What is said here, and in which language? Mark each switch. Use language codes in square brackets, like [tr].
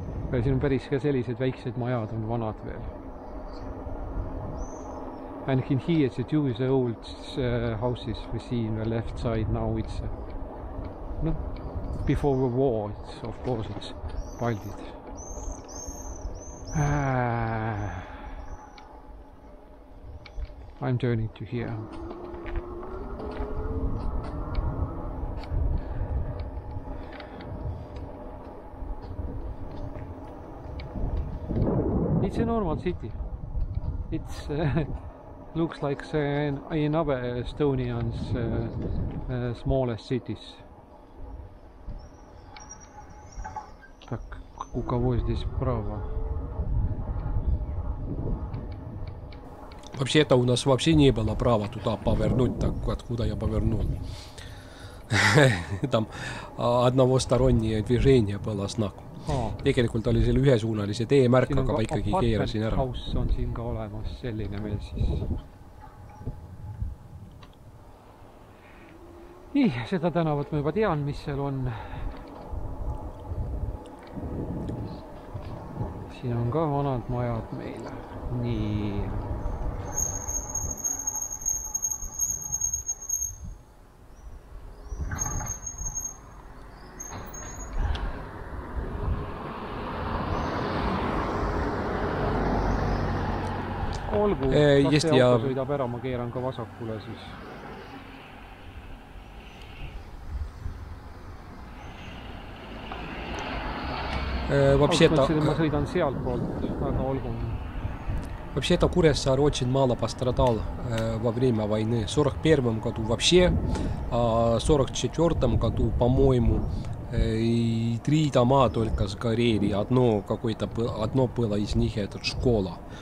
[et] Siin on päris ka sellised väiksed majad on vanad veel. [en] And in here it's a 2 years old houses we see in the left side now it's before the war it's of course it's built it. I'm turning to here. It's a normal city. It looks like in other Estonians smallest cities. [ru] Так, у кого здесь право? Вообще-то у нас вообще не было права туда повернуть, так откуда я повернул. Там одного стороннее движение было знаком. [et] Tegelikult oli selle ühesuunalise tee märk, aga ma ikkagi keerasin ära. Haus on siin ka olemas selline meil siis. Nii, seda tänavat ma juba tean, mis seal on. Siin on ka vanad majad meil. Nii. Olgu, kas see auto sõidab ära, ma keeran ka vasakule siis. Ma sõidan seal poolt, aga olgu. [ru] Вообще это Куресар очень мало пострадал во время войны. В 41-м году вообще, а в 44-м году, по-моему, три дома только сгорели. Одно было из них, это школа.